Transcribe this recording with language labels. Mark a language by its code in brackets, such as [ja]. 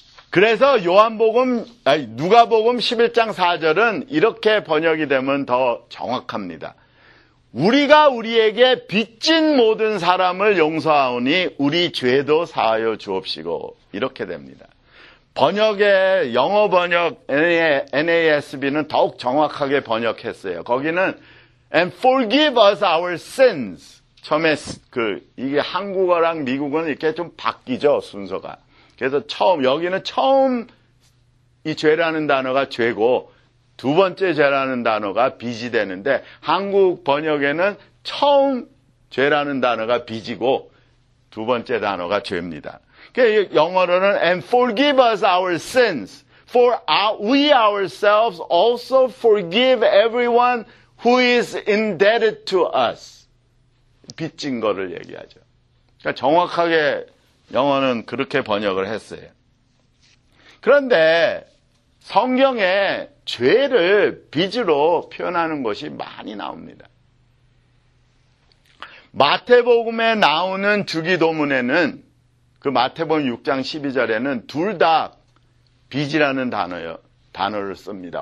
[ko] 그래서 누가복음 11장 4절은 이렇게 번역이 되면 더 정확합니다. 우리가 우리에게 빚진 모든 사람을 용서하오니 우리 죄도 사하여 주옵시고 이렇게 됩니다. 번역의 영어 번역 NASB는 더욱 정확하게 번역했어요. 거기는 [en] and forgive us our sins. [ko] 처음에 이게 한국어랑 미국어는 이렇게 좀 바뀌죠, 순서가. 그래서 여기는 처음 이 죄라는 단어가 죄고 두 번째 죄라는 단어가 빚이 되는데 한국 번역에는 처음 죄라는 단어가 빚이고 두 번째 단어가 죄입니다. 영어로는 [en] and forgive us our sins for we ourselves also forgive everyone who is indebted to us. [ko] 빚진 거를 얘기하죠. 그러니까 정확하게 영어는 그렇게 번역을 했어요. 그런데 성경에 죄를 빚으로 표현하는 것이 많이 나옵니다. 마태복음에 나오는 주기도문에는 그 마태복음 6장 12절에는 둘 다 빚이라는 단어를 씁니다.